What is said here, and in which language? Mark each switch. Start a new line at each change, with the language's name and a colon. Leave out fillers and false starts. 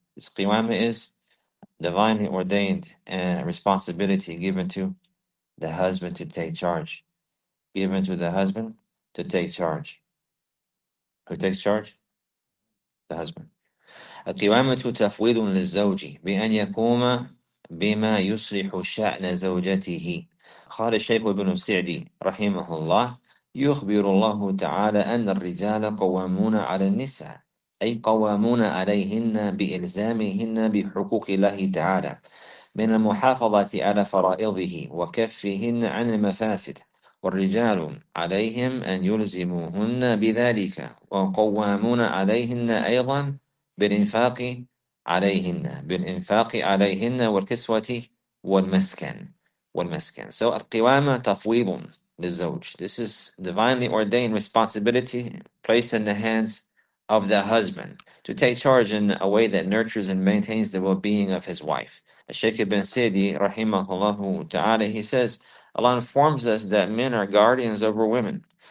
English: This qiwama is divinely ordained and responsibility given to the husband to take charge. Given to the husband to take charge. Who takes charge? The husband.
Arabic: Al-qiwamatu tafwidun lizawji bi an yakuma بما يصلح شأن زوجته. قال الشيخ ابن سعدي رحمه الله: يخبر الله تعالى أن الرجال قوامون على النساء، أي قوامون عليهن بإلزامهن بحقوق الله تعالى من المحافظة على فرائضه وكفهن عن المفاسد، والرجال عليهم أن يلزموهن بذلك، وقوامون عليهن أيضا بالإنفاق عليهن بالإنفاق عليهن والكسوة والمسكن والمسكن. So القوامة تفويض للزوج.
English: This is divinely ordained responsibility placed in the hands of the husband to take charge in a way that nurtures and maintains the well-being of his wife. الشيخ ابن سيدي رحمه الله تعالى, he says, Allah informs us that men are guardians over women.